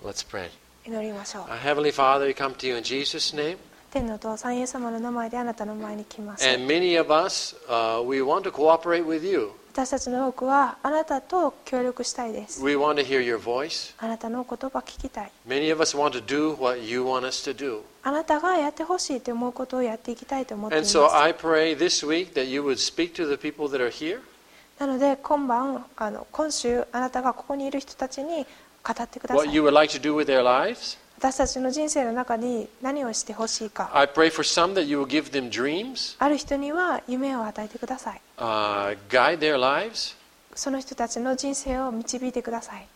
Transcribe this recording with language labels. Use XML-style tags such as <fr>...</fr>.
<en>Let's pray.</en> <ja>祈りましょう。</ja> <en>Our Heavenly Father, we come to you in Jesus' name.</en> <ja>天の父さん、イエス様の名前であなたの前に来ます。</ja> <en>And many of us, we want to cooperate with you.</en> <ja>私たちの多くはあなたと協力したいです。</ja> <en>We want to hear your voice.</en> <ja>あなたの言葉聞きたい。</ja> <en>Many of us want to do what you want us to do.</en> <ja>あなたがやってほしいと思うことをやっていきたいと思っています。</ja> <en>And so I pray this week that you would speak to the people that are here.</en> <ja>なので今晩今週あなたがここにいる人たちに語ってください。</ja> <en>What you would like to do with their lives?</en> <ja>私たちの人生の中に何をしてほしいか。</ja> <en>I pray for some that you will give them dreams.</en> <ja>ある人には夢を与えてください。</ja> <en>Guide their lives.</en> <ja>その人たちの人生を導いてください。</ja>